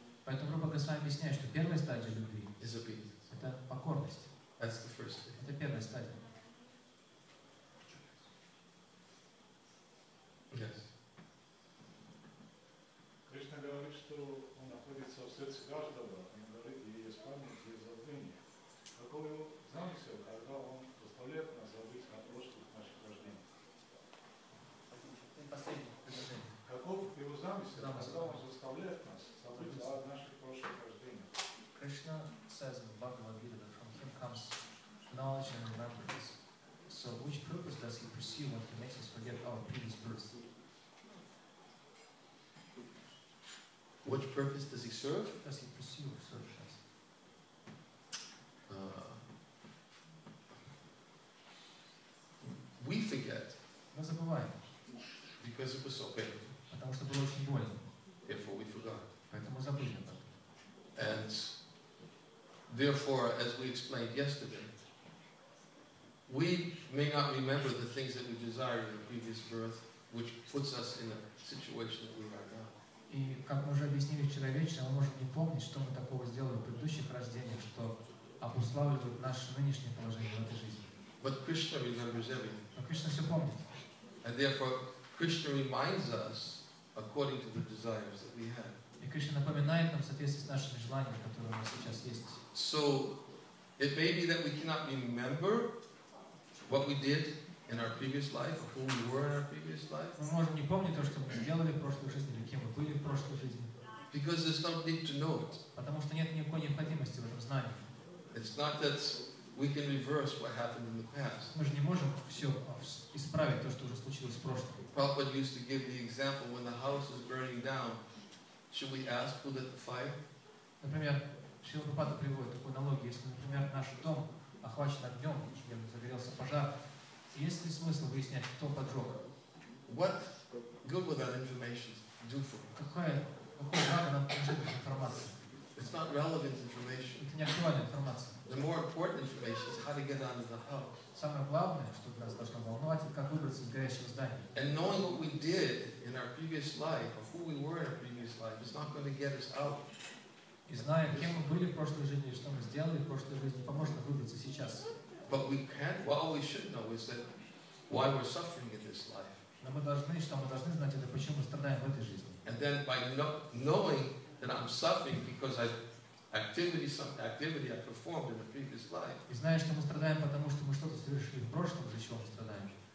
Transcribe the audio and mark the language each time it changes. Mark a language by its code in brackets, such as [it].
[ru] Поэтому Рупа Госвами объясняет, что первая стадия любви [en] is obedience. [ru] Это покорность. [en] That's the first stage. [ru] Это первая стадия. [en] Yes. [ru] Кришна говорит, что он находится в сердце каждого, и говорит, и есть память, и есть забвение. Какой его замысел, когда он заставляет нас забыть о прошлых наших рождениях? Последний. Каков его замысел, когда он заставляет нас забыть о наших прошлых рождениях? [en] Кришна says in Bhagavad Gita that from him comes knowledge and remembrance. So which purpose does he pursue when he makes us forget our previous births? Which purpose does he serve? Does he pursue or serve us? We forget. [ru] Мы забываем. [en] Because it was so painful. [ru] Потому что было очень больно. [en] Therefore we forgot. [ru] Поэтому мы забыли об этом. [en] And therefore, as we explained yesterday, we may not remember the things that we desired in the previous birth, which puts us in a situation that we are now. [ru] И как мы уже объяснили вчера вечером, мы можем не помнить, что мы такого сделали в предыдущих рождениях, что обуславливает наше нынешнее положение в этой жизни. [en] But Krishna remembers everything. [ru] Но Кришна все помнит. [en] And therefore, Krishna reminds us according to the desires that we have. [ru] И Кришна напоминает нам в соответствии с нашими желаниями, которые у нас сейчас есть. [en] So, it may be that we cannot remember what we did in our previous life, who we were in our previous life. [ru] Мы можем не помнить то, что мы сделали в прошлой жизни, или кем мы были в прошлой жизни. [en] Because there's no need to know it. [ru] Потому что нет никакой необходимости в этом знании. [en] It's not that we can reverse what happened in the past. [ru] Мы же не можем все исправить то, что уже случилось в прошлом. [en] Prabhupada used to give the example when the house is burning down, should we ask who lit the fire? [ru] Например, Шрила Прабхупада приводит такую аналогию, если, например, наш дом охвачен огнем, где загорелся пожар. Есть ли смысл выяснять, кто поджег? [en] What good will that information do for us? [ru] Какой благо нам принесет эта информация? [en] It's not relevant information. [ru] Это не актуальная информация. [en] The more important information is how to get out of the house. [ru] Самое главное, что нас должно волновать, это как выбраться из горящего здания. [en] And knowing what we did in our previous life, or who we were in our previous life, is not going to get us out. [ru] И зная, кем мы были в прошлой жизни, что мы сделали в прошлой жизни, поможет нам выбраться сейчас. [en] But we can, what we should know is that why we're suffering in this life. And then by knowing that I'm suffering because I some activity I performed in a previous life. [ru] И знаешь, что мы страдаем, потому что мы что-то совершили в прошлом, за чего мы страдаем.